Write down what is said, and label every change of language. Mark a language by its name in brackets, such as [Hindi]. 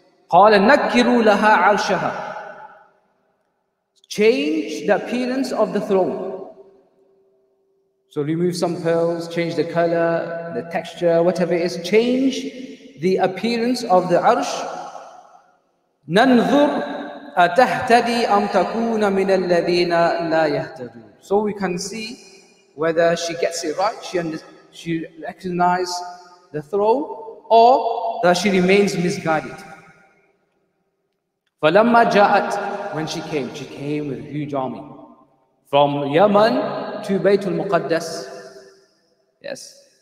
[Arabic] Qala nakkiru laha 'arshaha. [English] Change the appearance of the throne. So remove some pearls, change the color, the texture, whatever it is. Change the appearance of the arsh. [Arabic] ننظر أتهتدي أم تكون من الذين لا يهتدون. [English] So we can see whether she gets it right, she recognizes the throne, or that she remains misguided. [Arabic] فلما جاءت, [English] when she came with a huge army from Yemen to Baytul Muqaddas. Yes.